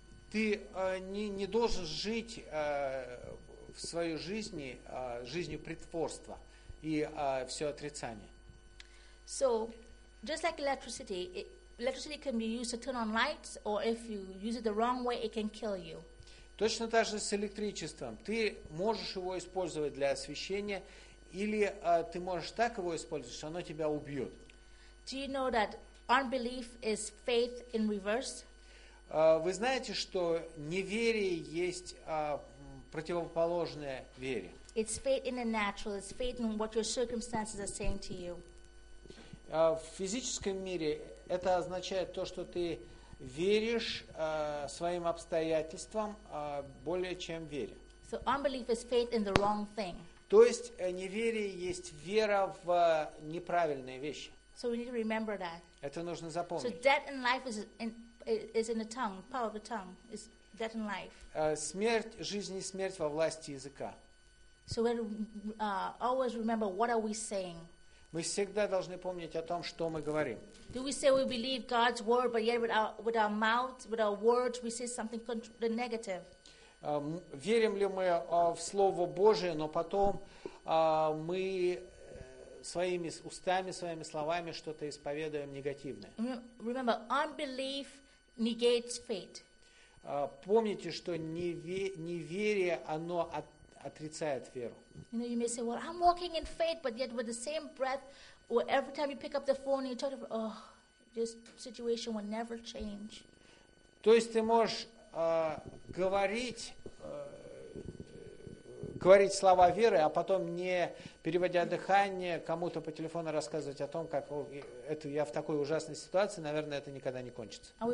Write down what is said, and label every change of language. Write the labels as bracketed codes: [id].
[ru] Ты не должен жить в своей жизни жизнью притворства и все отрицание. [en] So, just like electricity, electricity can be used to turn on lights, or if you use it the wrong way, it can kill you. [ru] Точно так же с электричеством. Ты можешь его использовать для освещения, или ты можешь так его использовать, что оно тебя убьет. [en] Do you know that unbelief is faith in reverse? [ru] Вы знаете, что неверие есть противоположное вере. [en] It's faith in the natural. It's faith in what your circumstances are saying to you. [ru] В физическом мире это означает то, что ты веришь своим обстоятельствам более чем вере. [en] So unbelief is faith in the wrong thing. [ru] То есть неверие есть вера в неправильные вещи. [en] So we need to remember that. [ru] Это нужно запомнить. [en] So death and life is in the tongue, power of the tongue. Is death and life. [ru] Смерть, жизнь и смерть во власти языка. [en] So we always remember what are we saying. [ru] Мы всегда должны помнить о том, что мы говорим. [en] Do we say we believe God's word, but yet with our mouth, with our words, we say something the negative? [ru] Верим ли мы в Слово Божие, но потом мы своими устами, своими словами что-то исповедуем негативное? [en] Remember, unbelief negates faith. [ru] Помните, что неверие, оно отрицает веру. [en] You know, you may say, well, I'm walking in faith, but yet with the same breath, well, every time you pick up the phone, you talk about, oh, this situation will never change. [ru] То есть ты можешь говорить слова веры, а потом, не переводя дыхание, кому-то по телефону рассказывать о том, как это я в такой ужасной ситуации, наверное, это никогда не кончится.